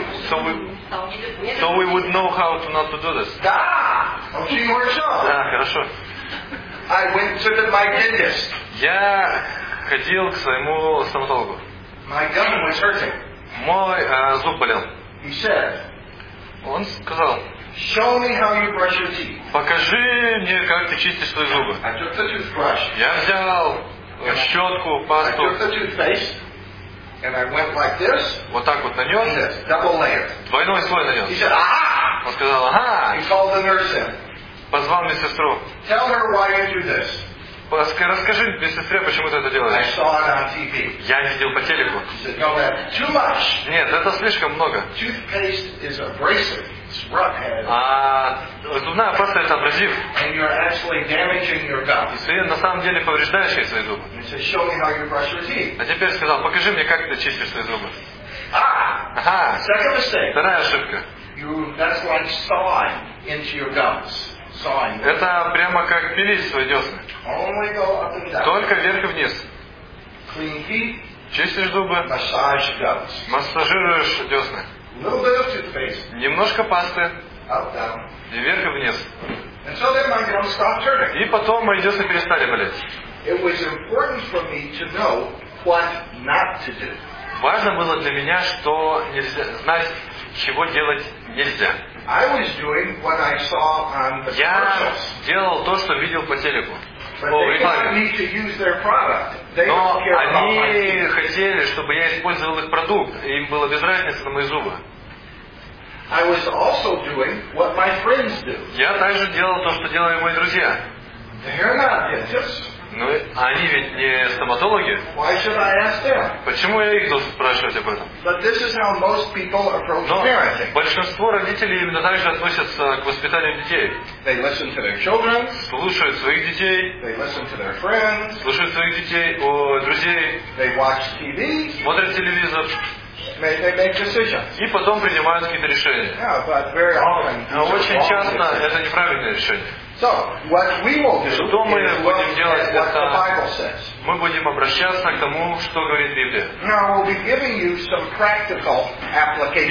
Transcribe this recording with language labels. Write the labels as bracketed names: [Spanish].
[English] So we would know how to not to do this. Да, okay, more so. [Russian] Да, хорошо. [English] I went to my dentist. [Russian] Я ходил к своему стоматологу. [English] My gum was hurting. [Russian] Мой зуб болел. [English] He said. [Russian] Он сказал. [English] Show me how you brush your teeth. [Russian] Покажи мне, как ты чистишь свои зубы. [English] I took the toothbrush. [Russian] Я взял щетку, пасту. [English] I took the toothpaste. And I went like this. [Russian] Вот так вот нанес. [English] Double layer. [Russian] Двойной слой нанес. [English] He said, "Ah!" [Russian] Он сказал, ага. [English] He called the nurse in. [Russian] Позвал медсестру. [English] Tell her why you do this. [Russian] Расскажи медсестре, почему ты это делаешь. [English] I saw it on TV. [Russian] Я видел по телеку. [English] He said, "No, that too much." [Russian] Нет, это слишком много. [English] Toothpaste is abrasive. It's rough [Russian] head. А зубная паста это абразив. [English] And you're actually damaging your gums. [Russian] Ты на самом деле повреждаешь свои зубы. [English] He said, "Show me how you brush your teeth." [Russian] А теперь сказал, покажи мне, как ты чистишь свои зубы. Ah! Ага. [English] Second mistake. [Russian] Вторая ошибка. [English] That's like sawing into your gums. Sawing. [Russian] Это прямо как пилить свои десны. [English] Only go up and down. [Russian] Только вверх и вниз. [English] Clean teeth. [Russian] Чистишь зубы. [English] Massage gums. [Russian] Массажируешь десны. [English] Little bit of toothpaste. [Russian] Немножко пасты. [English] Up, down. [Russian] И вверх и вниз. [English] And so then my gums stopped turning. [Russian] И потом мои десны перестали болеть. [English] It was important for me to know what not to do. [Russian] Важно было для меня, что нельзя знать, чего делать нельзя. [English] I was doing what I saw on the commercials. [Russian] Я делал то, что видел по телеку. Но они хотели, чтобы я использовал их продукт. Им было без разницы на мои зубы. [English] I was also doing what my friends do. [Russian] Я также делал то, что делали мои друзья. [English] They're not dentists. [Russian] Ну, они ведь не стоматологи. [English] Why should I ask them? [Russian] Почему я их должен спрашивать об этом? [English] But this is how most people approach parenting. [Russian] Большинство родителей именно так же относятся к воспитанию детей. [English] They listen to their children. [Russian] Слушают своих детей. [English] They listen to their friends. [Russian] Слушают своих детей, друзей. [English] They watch TV. [Russian] Смотрят телевизор. [English] They make decisions. [Russian] И потом принимают какие-то решения. [English] Yeah, but very often. [Russian] Но очень часто это неправильное решение. [English] So what we will do is what the Bible says. [Russian] Мы будем обращаться к тому, что говорит Библия. [English] Now we'll be giving you some practical applications.